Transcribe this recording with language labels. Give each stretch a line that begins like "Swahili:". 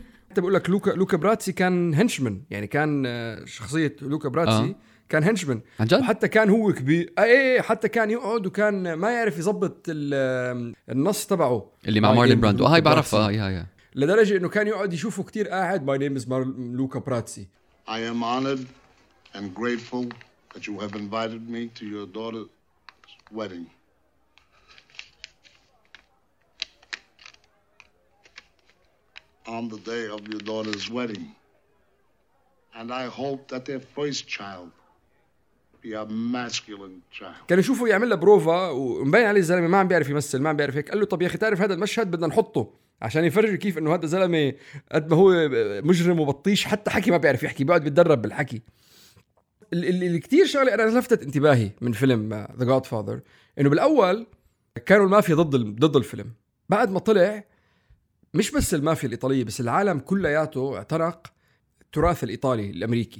Arabic: أنت بقول لك لوكا براتسي كان هنشمن، يعني كان شخصية لوكا براتسي كان هنشمن، حتى كان هو كبير حتى كان يقعد وكان ما يعرف يضبط النص تبعه اللي مع مارلين براندو. هاي بعرفها. هاي لدرجة إنه كان يقعد يشوفه كتير قاعد
English: My name is
Arabic: لوكا براتسي.
English: I am honored and grateful that you have invited me to your daughter's wedding. On the day of your daughter's wedding. And I hope that their first child be a masculine child.
Arabic: كان يشوفه يعمل له بروفا ومبين عليه الزلمة ما عم بيعرف يمثل، ما عم بيعرف هيك. قال له طب يا أخي تعرف هذا المشهد بدنا نحطه عشان يفرج كيف إنه هذا الزلمة قد ما هو مجرم وبطيش حتى حكي ما بيعرف يحكي، بعد بيتدرب بالحكي. اللي كتير شغلة أنا لفتت انتباهي من فيلم The Godfather إنه بالأول كانوا المافيا ضد الفيلم، بعد ما طلع مش بس المافيا الإيطالية بس العالم كلياته اعترق التراث الإيطالي الأمريكي،